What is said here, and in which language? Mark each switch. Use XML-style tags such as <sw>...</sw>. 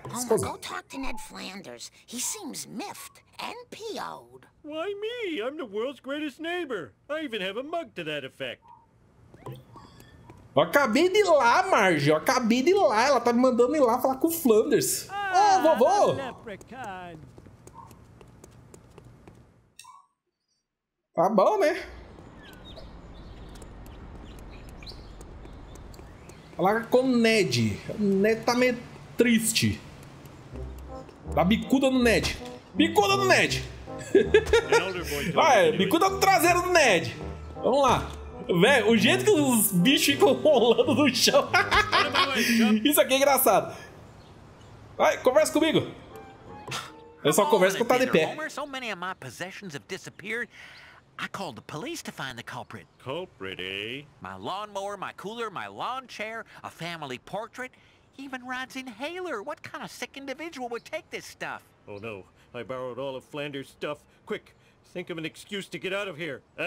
<en>Homer, go talk to Ned Flanders. He seems miffed and PO'd. Why me? I'm the world's greatest neighbor. I even have a mug to that effect.</en> <pt>Eu acabei de ir lá, Marge. Eu acabei de ir lá. Ela tá me mandando ir lá falar com o Flanders. Ah, oh, vovô!</pt> <en>Leprechaun.</en> <pt>Tá bom, né? Falar com o Ned. O Ned tá meio triste. Dá bicuda no Ned. Bicuda no Ned! Vai, bicuda no traseiro do Ned. Vamos lá. Véi, o jeito que os bichos ficam rolando no chão. Isso aqui é engraçado. Vai, conversa comigo. Eu só converso quando tá de pé.</pt> <en>So many of my possessions have disappeared. I called the police to find the culprit. Culprit, eh? My lawnmower, my cooler, my lawn chair, a family portrait, even Rod's inhaler. What kind of sick individual would take this stuff? Oh, no. I borrowed all of Flanders' stuff. Quick, think of an excuse to get out of here.</en>